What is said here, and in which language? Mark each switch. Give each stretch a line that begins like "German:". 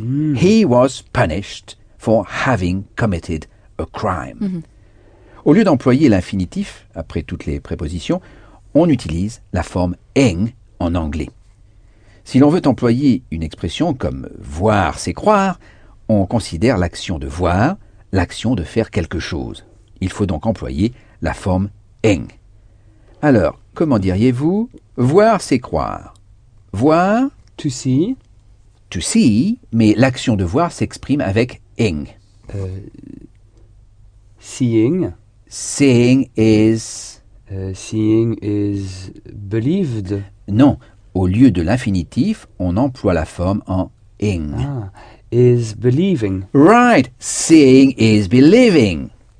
English: He was punished for having committed a crime.
French: Au lieu d'employer l'infinitif, après toutes les prépositions, on utilise la forme ing en anglais. Si l'on veut employer une expression comme voir, c'est croire, on considère l'action de voir, l'action de faire quelque chose. Il faut donc employer la forme ing. Alors, comment diriez-vous voir, c'est croire? Voir.
English: To see. To see,
French: mais l'action de voir s'exprime avec ing.
English: Seeing. Seeing is. Seeing is believed.
French: Non, au lieu de l'infinitif, on emploie la forme en ing.
English: Ah, is believing. Right, seeing is believing.